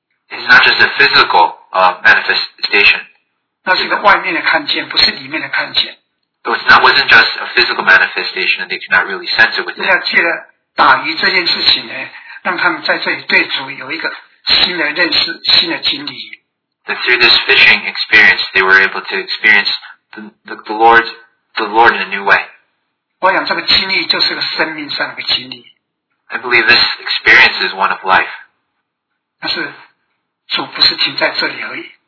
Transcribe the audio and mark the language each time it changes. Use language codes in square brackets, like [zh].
[en] It's not just a physical manifestation. [zh] 那是一个外面的看见，不是里面的看见。 [en] It wasn't just a physical manifestation, and they could not really sense it within. [zh] 要借着打鱼这件事情呢，让他们在这里对主有一个新的认识、新的经历。 [en] That through this fishing experience, they were able to experience the Lord in a new way. [zh] 我想这个经历就是个生命上的经历。 [en] I believe this experience is one of life. [zh] 但是主不是停在这里而已。